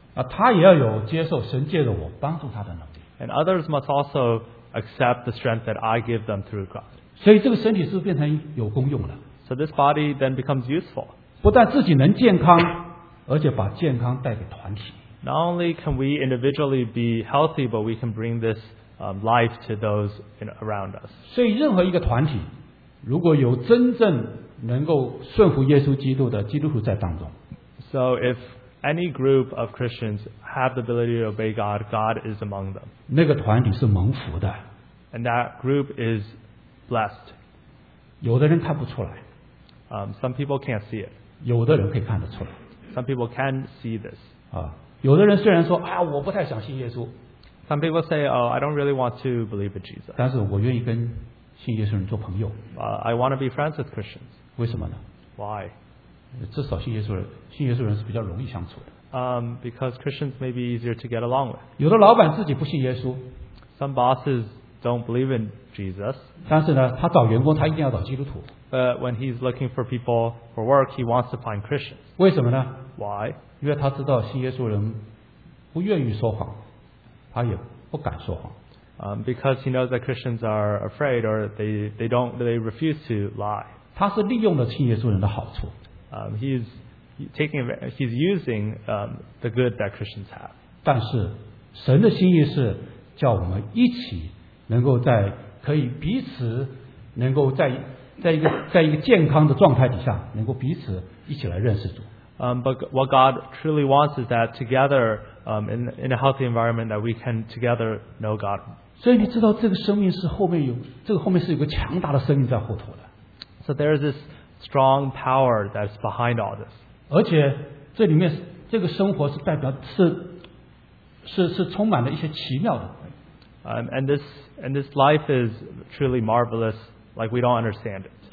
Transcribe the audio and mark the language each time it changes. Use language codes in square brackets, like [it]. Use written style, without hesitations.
[zh] 那他也要有接受神借着我帮助他的能力 [en] and others must also accept the strength that I give them through God [zh] 所以这个身体是不是变成有功用了 [en] so this body then becomes useful [zh] 不但自己能健康而且把健康带给团体 [en] Not only can we individually be healthy, but we can bring this life to those around us. [zh] 所以任何一个团体，如果有真正能够顺服耶稣基督的基督徒在当中 [en] ，So if any group of Christians have the ability to obey God, God is among them. [zh] 那个团体是蒙福的 [en] ，And that group is blessed. [zh] 有的人看不出来 [en] ，Some people can't see it. [zh] 有的人可以看得出来 [en] ，Some people can see this. 啊。 [zh] 有的人虽然说啊，我不太想信耶稣。 [en] Some people say, "Oh, I don't really want to believe in Jesus." [zh] 但是我愿意跟信耶稣人做朋友。 [en] I want to be friends with Christians. [zh] 为什么呢 [en] ？Why? [zh] 至少信耶稣人是比较容易相处的。 [en] Because Christians may be easier to get along with. [zh] 有的老板自己不信耶稣。 [en] Some bosses don't believe in Jesus. [zh] 但是呢，他找员工，他一定要找基督徒。 [en] But when he's looking for people for work, he wants to find Christians. [zh] 为什么呢 [en] ？Why? [zh] 因为他知道信耶稣人不愿意说谎，他也不敢说谎。 [en] Because he knows that Christians are afraid or they refuse to lie. [zh] 他是利用了信耶稣人的好处。 [en] He's using the good that Christians have. [zh] 但是神的心意是叫我们一起能够在可以彼此能够在一个健康的状态底下能够彼此一起来认识主。 [en] But what God truly wants is that together, in a healthy environment, that we can together know God. [zh] 所以你知道这个生命是后面有这个后面是有个强大的生命在后头的。 [en] So there is this strong power that's behind all this. [zh] 而且这里面这个生活是代表是充满了一些奇妙的。 [en] And this life is truly marvelous, like we don't understand it.